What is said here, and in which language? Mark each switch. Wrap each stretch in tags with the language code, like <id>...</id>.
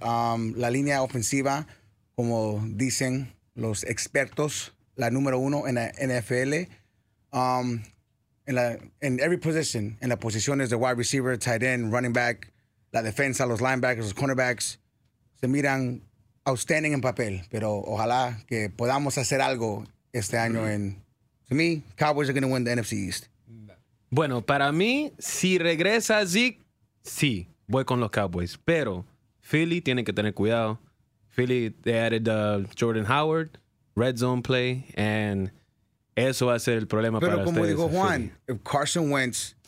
<es>La línea ofensiva, como dicen los expertos, la número uno en la NFL, en every position, en la posición es de wide receiver, tight end, running back, la defensa, los linebackers, los cornerbacks, se miran outstanding en papel, pero ojalá que podamos hacer algo este año.</es> <en>To me, Cowboys are going to win the NFC East.</en> <es>Bueno, para mí, si regresa Zeke, sí, voy con los Cowboys, pero Philly tiene que tener cuidado.</es> <en>Philly, they added Jordan Howard, red zone play, and eso va a ser el problema</en> <es>pero para ustedes. Pero como dijo Juan, if Carson Wentz...</es>